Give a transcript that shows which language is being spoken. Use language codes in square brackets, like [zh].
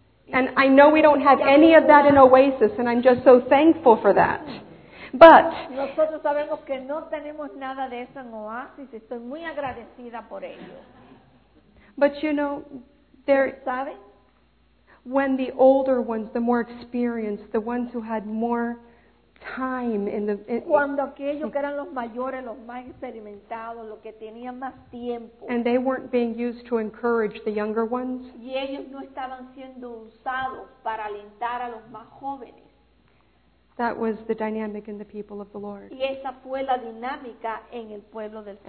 [en] And I know we don't have any of that in Oasis, and I'm just so thankful for that. But [es] nosotros sabemos que no tenemos nada de eso en Oasis. Estoy muy agradecida por ello. [en] But you know, there. [es] ¿Sabe? [en] When the older ones, the more experienced, the ones who had more time in the. [es] Cuando aquellos que eran los mayores, los más experimentados, los que tenían más tiempo. [en] And they weren't being used to encourage the younger ones. [es] Y ellos no estaban siendo usados para alentar a los más jóvenes. [en] That was the dynamic in the people of the Lord. [es] Y esa fue la dinámica en el pueblo del Señor.